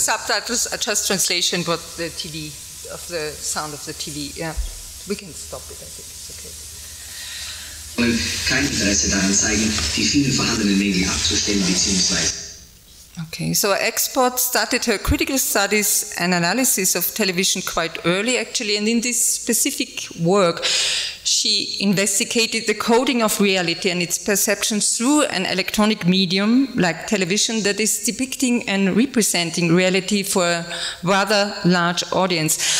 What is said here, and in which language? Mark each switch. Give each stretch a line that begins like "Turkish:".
English: The subtitles are just translation of the TV, of the sound of the TV, yeah. We can stop it, I think it's okay.
German: ...kein Interesse daran zeigen, die vielen vorhandenen Mängel abzustellen bzw.
English: Okay, so our expert started her critical studies and analysis of television quite early, actually, and in this specific work, she investigated the coding of reality and its perception through an electronic medium like television that is depicting and representing reality for a rather large audience.